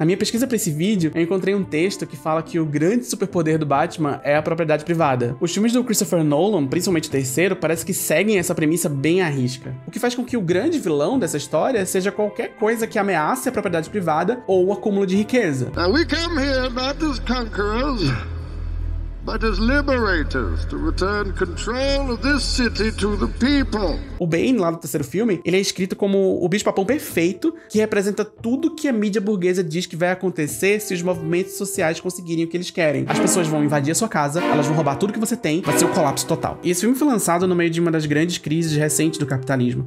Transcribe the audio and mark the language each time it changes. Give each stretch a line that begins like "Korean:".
Portuguese: Na minha pesquisa pra esse vídeo, eu encontrei um texto que fala que o grande superpoder do Batman é a propriedade privada. Os filmes do Christopher Nolan, principalmente o terceiro, parece que seguem essa premissa bem à risca. O que faz com que o grande vilão dessa história seja qualquer coisa que ameace a propriedade privada ou o acúmulo de riqueza.
English: Come here not as conquerors, but as liberators to return control of this city to the people.
Portuguese: O Bane, lá no terceiro filme, ele é escrito como o bicho-papão perfeito que representa tudo que a mídia burguesa diz que vai acontecer se os movimentos sociais conseguirem o que eles querem. As pessoas vão invadir a sua casa, elas vão roubar tudo que você tem, vai ser o colapso total. E esse filme foi lançado no meio de uma das grandes crises recentes do capitalismo.